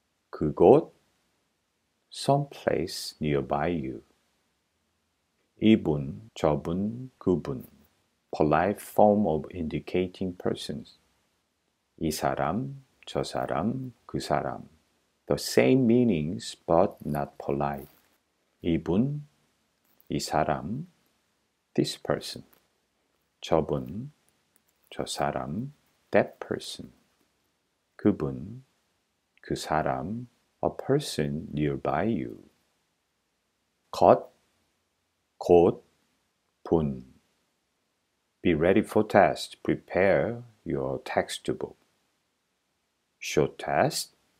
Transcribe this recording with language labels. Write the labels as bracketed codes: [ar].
[en] 그곳, someplace nearby you. [ko] 이분, 저분, 그분. [en] Polite form of indicating persons. [ko] 이 사람, 저 사람, 그 사람. [en] The same meanings but not polite. [ko] 이분, 이 사람, [en] this person. [ko] 저분, 저 사람, [en] that person. [ko] 그분, 그 사람, [en] a person nearby you. 곧, 곧, 분. Be ready for test. Prepare your textbook. Short test.